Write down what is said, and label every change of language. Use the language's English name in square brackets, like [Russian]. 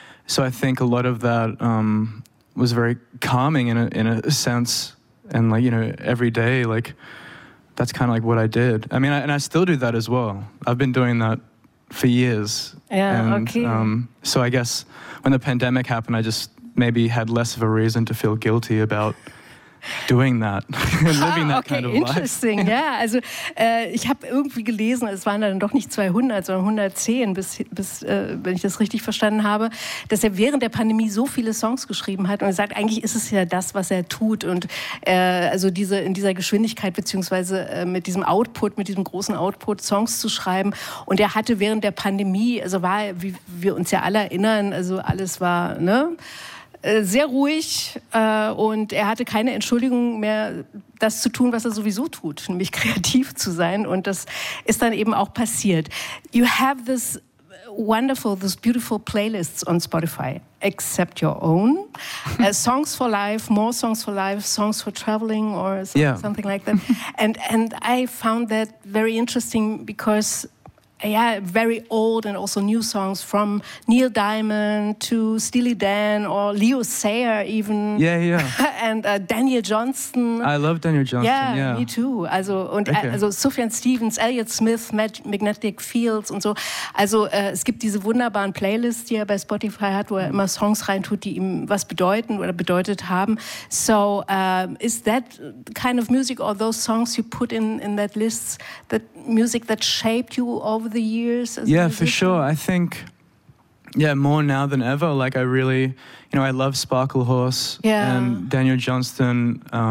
[English] So I think a lot of that was very calming in a sense, and like, you know, every day, like that's kind of like what I did. I mean, I still do that as well. I've been doing that for years. Yeah, and, okay. So I guess when the pandemic happened, I just maybe had less of a reason to feel guilty about doing that, living that okay, kind of life. Interesting, yeah. [German] Also ich habe irgendwie gelesen, es waren dann doch nicht 200, sondern 110, bis wenn ich das richtig verstanden habe, dass er während der Pandemie so viele Songs geschrieben hat und er sagt, eigentlich ist es ja das, was er tut. Und also diese in dieser Geschwindigkeit, beziehungsweise mit diesem Output, mit diesem großen Output Songs zu schreiben. Und er hatte während der Pandemie, also war, wie wir uns ja alle erinnern, also alles war, ne, sehr ruhig und er hatte keine Entschuldigung mehr, das zu tun, was er sowieso tut, nämlich kreativ zu sein. Und das ist dann eben auch passiert. [English] You have this wonderful, this beautiful playlists on Spotify, except your own. Songs for Life, More Songs for Life, Songs for Traveling or something like that. And I found that very interesting because yeah, very old and also new songs from Neil Diamond to Steely Dan or Leo Sayer even. Yeah, yeah. And Daniel Johnston. I love Daniel Johnston, Me too. [German] Also, und okay. Also Sufjan Stevens, Elliot Smith, Magnetic Fields und so. Also es gibt diese wunderbaren Playlists, die er bei Spotify hat, wo er immer Songs reintut, die ihm was bedeuten oder bedeutet haben. [English] So is that kind of music or those songs you put in that list, that music that shaped you or over the years? As yeah, for sure. I think, yeah, more now than ever. Like, I really, you know, I love Sparkle Horse and Daniel Johnston.